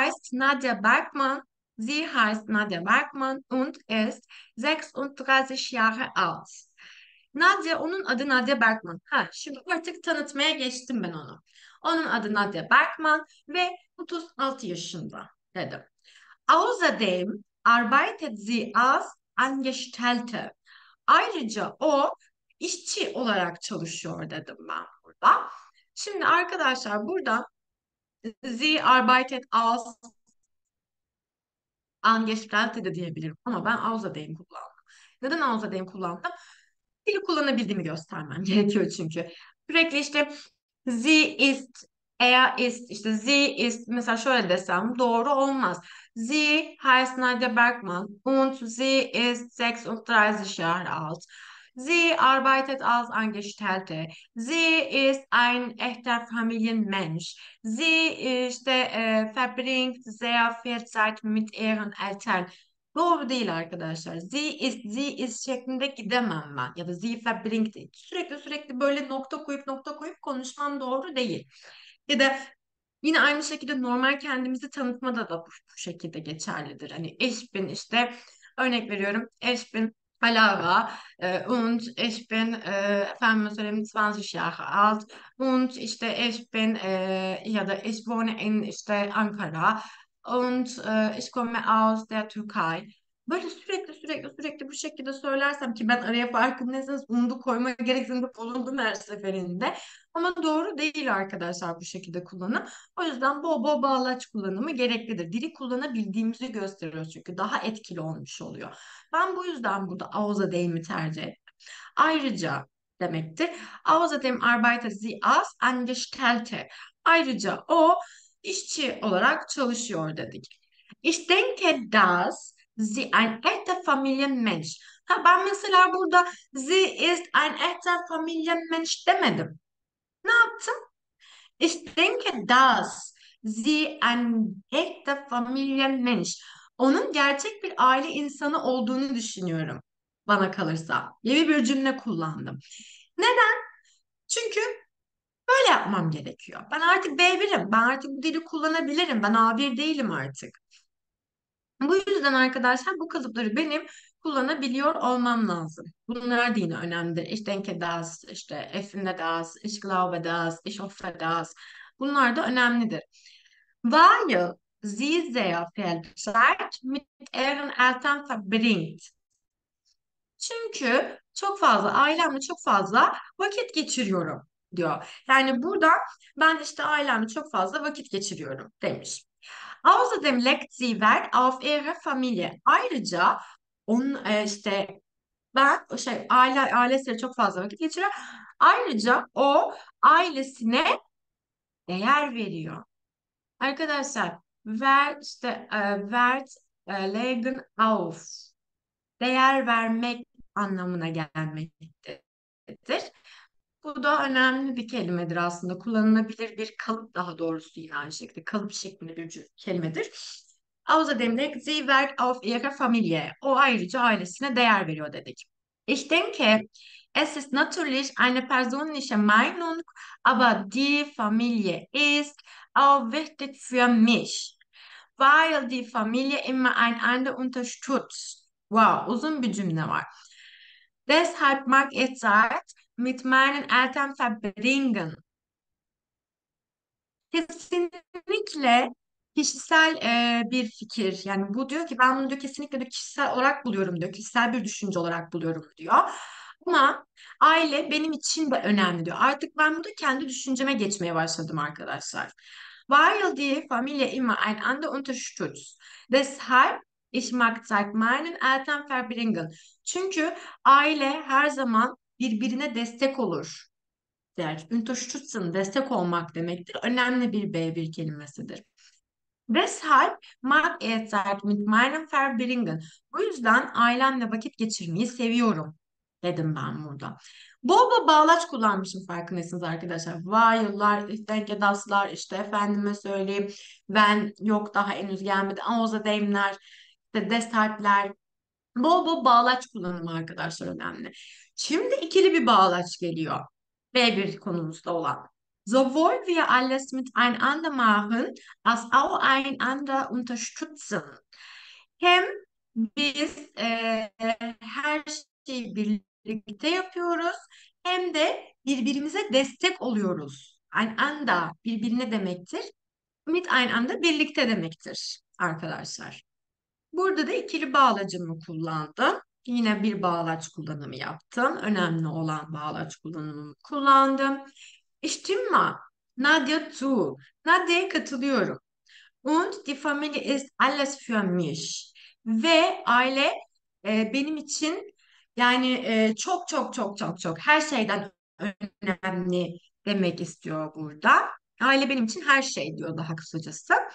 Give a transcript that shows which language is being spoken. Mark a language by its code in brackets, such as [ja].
[de] Sie heißt Nadia Bergman und ist 36 Jahre alt. [tr] Nadia, onun adı Nadia Bergman. Ha, şimdi artık tanıtmaya geçtim ben onu. Onun adı Nadia Bergman ve 36 yaşında dedim. [de] Außerdem arbeitet sie als Angestellte. [tr] Ayrıca o işçi olarak çalışıyor dedim ben burada. Şimdi arkadaşlar burada [de] sie arbeitet als Angestellte [tr] de diyebilirim ama ben außerdem kullandım. Neden außerdem kullandım? Dili kullanabildiğimi göstermem gerekiyor çünkü. Sürekli işte [de] sie ist [tr] mesela şöyle desem doğru olmaz. [de] Sie heißt Nadia Bergman und sie ist 36 Jahre alt. Sie arbeitet als Angestellte. Sie ist ein echter Familienmensch. Sie işte verbringt sehr viel Zeit mit ihren Eltern. [tr] Doğru değil arkadaşlar. [de] Sie ist [tr] şeklinde gidemem ben. Ya da [de] sie verbringt [tr] değil. Sürekli böyle nokta koyup nokta koyup konuşmam doğru değil. Ya da yine aynı şekilde normal kendimizi tanıtmada da bu şekilde geçerlidir. Hani [de] ich bin [tr] işte örnek veriyorum. [de] Ich bin Alava und ich bin [tr] efendim söyleyeyim [de] 20 Jahre alt und işte ich bin [tr] ya da [de] ich wohne in işte Ankara und ich komme aus der Türkei. [tr] Böyle sürekli bu şekilde söylersem ki ben araya farkındaysanız undu koyma gereksinimi bulundum her seferinde. Ama doğru değil arkadaşlar bu şekilde kullanım. O yüzden bol bol bağlaç kullanımı gereklidir. Dili kullanabildiğimizi gösteriyor çünkü daha etkili olmuş oluyor. Ben bu yüzden burada ağza deyimi tercih ettim. Ayrıca demekti. [de] Außerdem arbeitet sie als Angestellte. [tr] Ayrıca o işçi olarak çalışıyor dedik. [de] Ich denke das Sie ein echter Familienmensch. [tr] Ha, ben mesela burada [de] sie ist ein echter Familienmensch [tr] demedim. Ne yaptım? [de] Ich denke, dass sie ein echter Familienmensch. [tr] Onun gerçek bir aile insanı olduğunu düşünüyorum. bana kalırsa. Yeni bir cümle kullandım. Neden? Çünkü böyle yapmam gerekiyor. Ben artık B1'im. Ben artık bu dili kullanabilirim. Ben A1 değilim artık. Bu yüzden arkadaşlar bu kalıpları benim kullanabiliyor olmam lazım. Bunlar da yine önemli. [de] Ich denke das, işte Effen de das, ich glaube das, ich hoffe das. [tr] Bunlar da önemlidir. [de] Weil sie sehr viel Zeit mit ihren Eltern verbringt. [tr] Çünkü çok fazla ailemle çok fazla vakit geçiriyorum diyor. Yani burada ben işte ailemle çok fazla vakit geçiriyorum demiş. [de] Außerdem legt sie Wert auf ihre Familie. [tr] Ayrıca onun işte ben şey ailesiyle çok fazla vakit geçiriyor. Ayrıca o ailesine değer veriyor. Arkadaşlar Wert işte [de] Wert legen auf [tr] değer vermek anlamına gelmektedir. Bu da önemli bir kelimedir aslında. Kullanılabilir bir kalıp daha doğrusu yine aynı şekilde. Kalıp şeklinde bir kelimedir. Außerdem legt sie Wert auf ihre Familie. O ayrıca ailesine değer veriyor dedik. [de] Ich denke, es ist natürlich eine persönliche Meinung, aber die Familie ist auch wichtig für mich. Weil die Familie immer einander unterstützt. [tr] Wow, uzun bir cümle var. [de] Deshalb mag ich Zeit mit meinen Eltern verbringen. [tr] Kesinlikle kişisel bir fikir. Yani bu diyor ki ben bunu diyor kesinlikle diyor, kişisel olarak buluyorum diyor. Kişisel bir düşünce olarak buluyorum diyor. Ama aile benim için de önemli diyor. Artık ben bunu kendi düşünceme geçmeye başladım arkadaşlar. [de] Weil die Familie immer einander unterstützt. Deshalb ich mag Zeit meinen Eltern verbringen. [tr] Çünkü aile her zaman birbirine destek olur. Der, unterstützen, destek olmak demektir. Önemli bir B1 kelimesidir. [de] Deshalb mag ich Zeit mit meinen verbringen. [tr] Bu yüzden ailemle vakit geçirmeyi seviyorum dedim ben burada. Bol bol bağlaç kullanmışım farkındaysanız arkadaşlar. While'lar, [de] ich denke das'lar, [tr] işte efendime söyleyeyim. Ben yok daha henüz gelmedi. Außerdem'ler, deshalb'ler. Bol bol bağlaç kullanımı arkadaşlar önemli. Şimdi ikili bir bağlaç geliyor. B1 konumuzda olan. [de] Sowohl wir alles mit einander machen, als auch einander unterstützen. [tr] Hem biz her şeyi birlikte yapıyoruz, hem de birbirimize destek oluyoruz. Einander birbirine demektir. [de] Mit einander [tr] birlikte demektir arkadaşlar. Burada da ikili bağlacımı kullandım. Yine bir bağlaç kullanımı yaptım. Önemli olan bağlaç kullanımı kullandım. [de] Stimme, Nadia zu. [tr] Nadia'ya katılıyorum. [de] Und die Familie ist alles für mich. [tr] Ve aile benim için yani çok çok çok çok çok her şeyden önemli demek istiyor burada. Aile benim için her şey diyor daha kısacası.